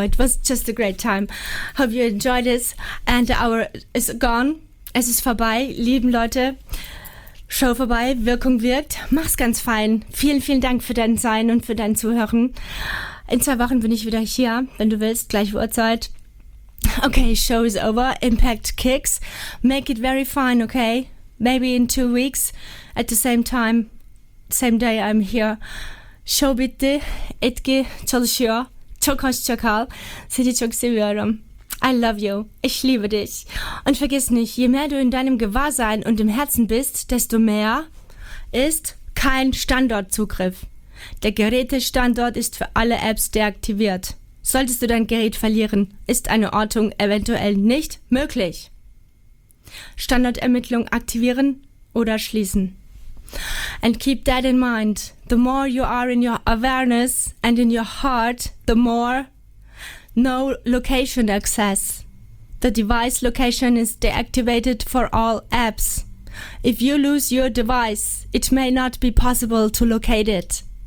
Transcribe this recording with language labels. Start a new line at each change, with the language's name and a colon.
English: It was just a great time. Hope you enjoyed this. And the hour is gone.
German: Es ist vorbei, lieben Leute. Show vorbei, Wirkung wirkt. Mach's ganz fein. Vielen, vielen Dank für dein Sein und für dein Zuhören. In 2 Wochen bin ich wieder hier, wenn du willst, gleiche Uhrzeit.
English: Okay, show is over. Impact kicks. Make it very fine, okay? Maybe in 2 weeks, at the same time, same day I'm here.
Turkish: Show bitte, etki çalışıyor. Çok hoş, çok hal. Seni çok seviyorum.
English: I love you.
German: Ich liebe dich. Und vergiss nicht, je mehr du in deinem Gewahrsein und im Herzen bist, desto mehr ist kein Standortzugriff. Der Gerätestandort ist für alle Apps deaktiviert. Solltest du dein Gerät verlieren, ist eine Ortung eventuell nicht möglich. Standortermittlung aktivieren oder schließen.
English: And keep that in mind. The more you are in your awareness and in your heart, the more no location access. The device location is deactivated for all apps. If you lose your device, it may not be possible to locate it.